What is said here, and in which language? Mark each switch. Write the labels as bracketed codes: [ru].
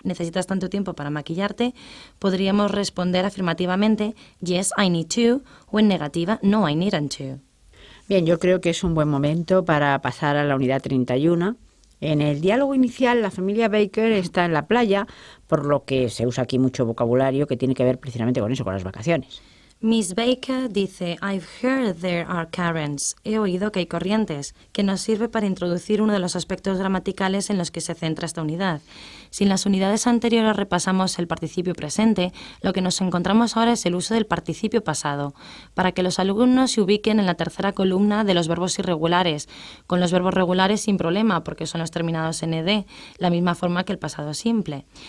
[es] ¿Necesitas tanto tiempo para maquillarte? Podríamos responder afirmativamente, [en] Yes, I need to, [es] o en negativa, [en] No, I needn't to. [es] Bien, yo creo que es un buen momento para pasar a la unidad 31. En el diálogo inicial, la familia Baker está en la playa, por lo que se usa aquí mucho vocabulario que tiene que ver precisamente con eso, con las vacaciones. Miss Baker dice, [en] I've heard there are currents. [es] He oído que hay corrientes, que nos sirve para introducir uno de los aspectos gramaticales en los que se centra esta unidad. Si en las unidades anteriores repasamos el participio presente, lo que nos encontramos ahora es el uso del participio pasado, para que los alumnos se ubiquen en la tercera columna de los verbos irregulares, con los verbos regulares sin problema, porque son los terminados en ed, la misma forma que el pasado simple.